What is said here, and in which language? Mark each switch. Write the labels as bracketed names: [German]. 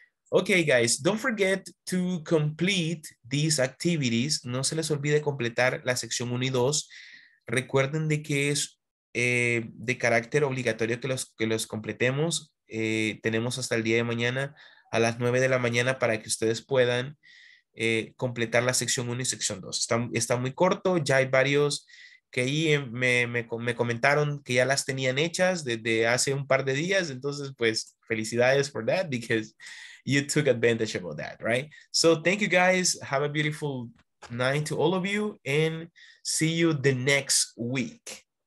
[English] Okay, guys, don't forget to complete these activities. [Spanish] No se les olvide completar la sección 1 y 2. Recuerden de que es de carácter obligatorio que los completemos. Tenemos hasta el día de mañana a las 9 de la mañana para que ustedes puedan completar la sección 1 y sección 2. Está muy corto, ya hay varios que ahí me comentaron que ya las tenían hechas desde hace un par de días. Entonces, pues, felicidades [English] for that because you took advantage of that, right? So thank you guys. Have a beautiful night to all of you and see you the next week.